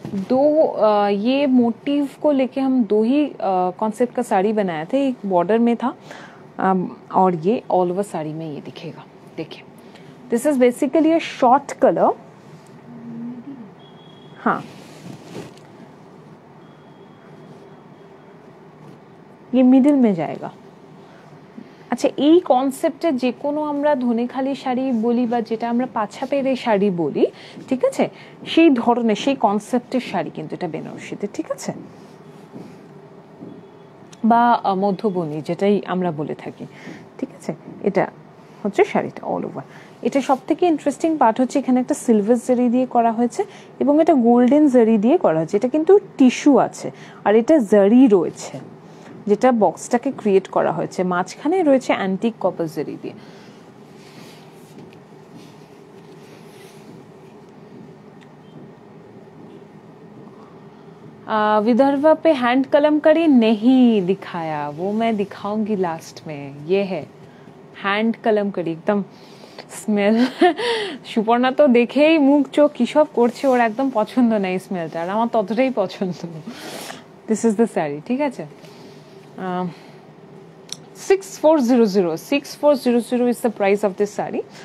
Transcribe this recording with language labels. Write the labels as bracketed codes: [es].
[hi] दो ये मोटिव को लेके हम दो ही कॉन्सेप्ट का साड़ी बनाए थे, एक बॉर्डर में था और ये ऑल ओवर साड़ी में ये दिखेगा। देखिए [en] this is basically a short colour, [hi] हाँ ये মিডল में जाएगा। [bn] আচ্ছা এই কনসেপ্টে যে কোনো আমরা ধনেখালি শাড়ি বলি বা যেটা আমরা পাছা পেরে শাড়ি বলি, ঠিক আছে, সেই ধরনের সেই কনসেপ্টের শাড়ি কিন্তু এটা বেনারসিতে, ঠিক আছে, বা মধ্যবনি যেটাই আমরা বলে থাকি, ঠিক আছে। এটা হচ্ছে শাড়িটা অল ওভার। এটা সব থেকে ইন্টারেস্টিং পার্ট হচ্ছে এখানে একটা সিলভার জারি দিয়ে করা হয়েছে এবং এটা গোল্ডেন জারি দিয়ে করা হয়েছে। এটা কিন্তু টিস্যু আছে আর এটা জারি রয়েছে যেটা বক্সটাকে ক্রিয়েট করা হয়েছে, মাঝখানে রয়েছে অ্যান্টিক কপার জারি দিয়ে। [hi] विदर्भ पे हैंड कलम करी नहीं दिखाया, वो मैं दिखाऊंगी लास्ट में। ये है हैंड कलम करी, एकदम [bn] স্মেল, সুপর্ণা তো দেখেই মুখ চোখ কিসব করছে, ওর একদম পছন্দ না এই স্মেলটা, আর আমার ততটাই পছন্দ। [en] this is the sari, [bn] ঠিক আছে। [en] 6400 is the price of this sari.